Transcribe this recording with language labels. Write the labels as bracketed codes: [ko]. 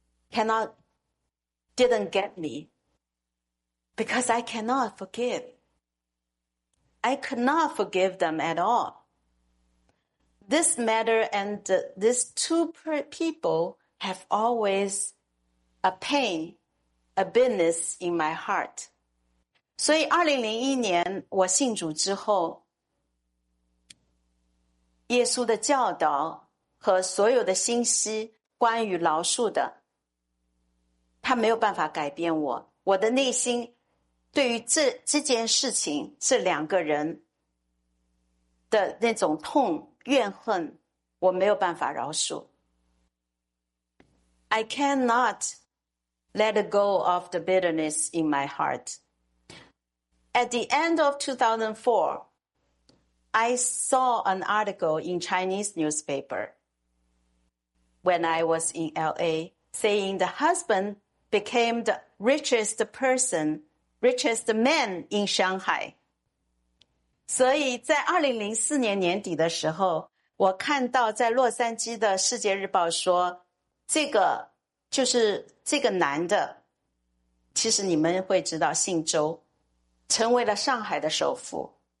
[en] Didn't get me because I cannot forgive. I could not forgive them at all. this matter and these two people have always a pain, a bitterness in my heart. [zh] 所以2001年我信主之后，耶稣的教导和所有的信息关于饶恕的，他没有办法改变我。我的内心对于 这件事情，这两个人的那种痛、怨恨，我没有办法饶恕。 [en] I cannot let go of the bitterness in my heart. At the end of 2004,I saw an article in Chinese newspaper when I was in LA saying the husband became the richest person, richest man in Shanghai. [zh] 所以在2004年年底的时候，我看到在洛杉矶的世界日报说，这个就是这个男的，其实你们会知道姓周，成为了上海的首富。